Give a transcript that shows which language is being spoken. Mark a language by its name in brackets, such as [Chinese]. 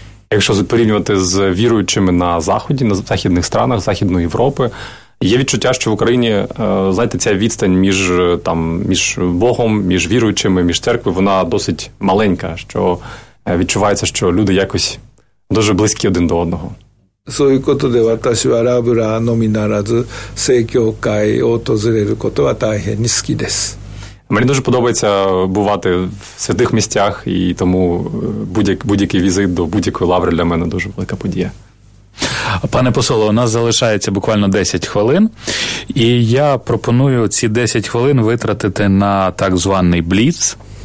[Ukrainian] Якщо порівнювати з віруючими на Заході, на західних странах, Західної Європи, є відчуття, що в Україні, знаєте, ця відстань між, там, між Богом, між віруючими, між церквою, вона досить маленька, що відчувається, що люди якось дуже близькі один до одного. [Japanese] そういうことで私はラブラのみならず聖教会を訪れることは大変に好きです。 [Ukrainian] Мені дуже подобається бувати в святих місцях, і тому будь-який візит до будь-якої лаври для мене дуже велика подія. Пане посоле, у нас залишається буквально 10 хвилин, і я пропоную ці 10 хвилин витратити на так званий бліц.